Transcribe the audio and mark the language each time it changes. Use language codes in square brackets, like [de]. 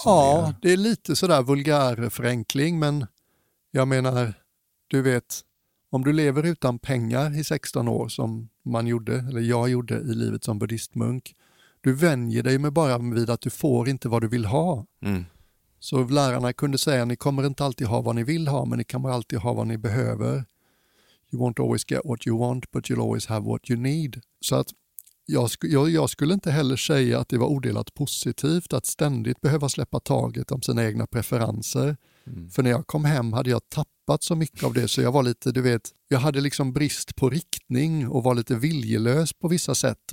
[sv] Ja, det är lite sådär vulgär förenkling, men jag menar, du vet, om du lever utan pengar i 16 år som man gjorde, eller jag gjorde i livet som buddhistmunk, du vänjer dig med bara vid att du får inte vad du vill ha. Mm. Så lärarna kunde säga, ni kommer inte alltid ha vad ni vill ha, men ni kommer alltid ha vad ni behöver. [en] You won't always get what you want, but you'll always have what you need. [sv] Så att Jag skulle inte heller säga att det var odelat positivt att ständigt behöva släppa taget om sina egna preferenser. Mm. För när jag kom hem hade jag tappat så mycket av det, så jag var lite, du vet, jag hade liksom brist på riktning och var lite viljelös på vissa sätt.